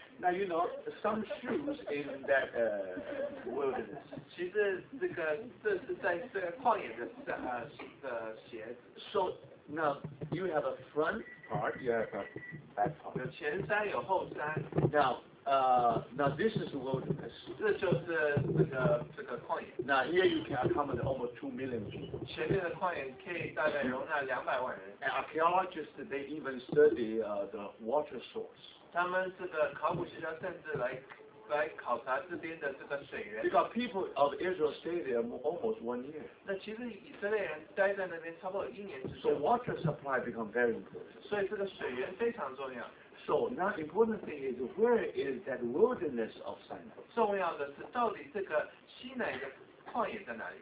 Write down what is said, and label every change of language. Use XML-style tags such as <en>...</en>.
<en>Now you know some shoes in that wilderness.</en> <zh>其实这个这是在这个旷野的鞋子。</zh> <en>So now you have a front part, you have a back part.</en> <zh>有前山有后山。</zh> <en>Now. Now this is the wilderness.</en> <zh>这就是这个旷野。</zh> <en>Now here you can accommodate almost 2 million people.</en> <zh>前面的旷野可以大概容纳200万人。</zh> <en>And archaeologists they even study the water source.</en> <zh>他们这个考古学家甚至来考察这边的这个水源。</zh> <en>Because people of Israel stay there almost 1 year.</en> <zh>那其实以色列人待在那边差不多一年之久。</zh> <en>So water supply become very important.</en> <zh>所以这个水源非常重要。</zh> <en>So now the important thing is where is that wilderness of Sinai?</en> <zh>重要的是到底这个西乃的旷野在哪里？</zh>